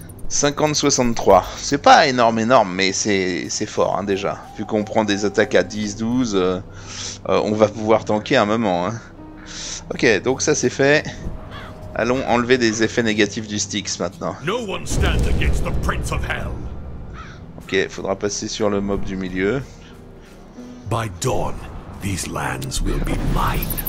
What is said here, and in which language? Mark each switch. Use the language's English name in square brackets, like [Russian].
[French] 50-63, c'est pas énorme, mais c'est fort, hein, déjà. Vu qu'on prend des attaques à 10-12, on va pouvoir tanker un moment, hein. Ok, donc ça c'est fait. Allons enlever des effets négatifs du Styx maintenant. [English] No one stands against the Prince of Hell. [French] Ok, faudra passer sur le mob du milieu. [English] By dawn, these lands will be mine.